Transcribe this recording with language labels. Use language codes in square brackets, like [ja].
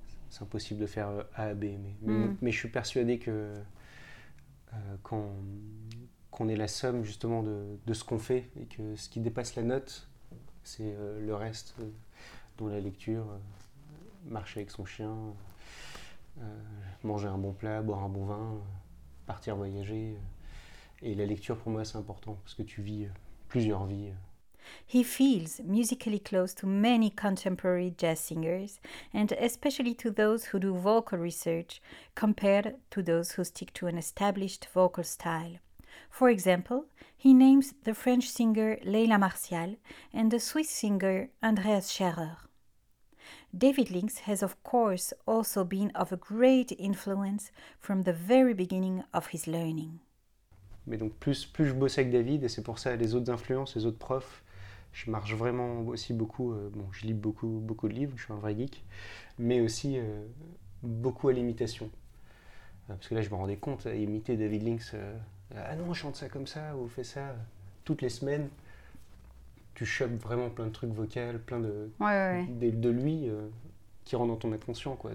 [fr] C'est impossible de faire A à B, mais je suis persuadé que qu'on est la somme justement de ce qu'on fait et que ce qui dépasse la note, c'est le reste, dont la lecture, marcher avec son chien, manger un bon plat, boire un bon vin, partir voyager. Et la lecture pour moi c'est important parce que tu vis plusieurs vies. [en] He feels musically close to many contemporary jazz singers, and especially to those who do vocal research, compared to those who stick to an established vocal style. For example, he names the French singer Leila Martial and the Swiss singer Andreas Scherer. David Lynx has of course also been of a great influence from the very beginning of his learning. [fr] Mais donc plus je bosse avec David, et c'est pour ça les autres influences, les autres profs, je marche vraiment aussi beaucoup, je lis beaucoup, beaucoup de livres, je suis un vrai geek, mais aussi beaucoup à l'imitation. Parce que là, je me rendais compte, à imiter David Lynx, on chante ça comme ça, ou fais ça, toutes les semaines, tu chopes vraiment plein de trucs vocaux, plein de, de lui, qui rentrent dans ton inconscient, quoi.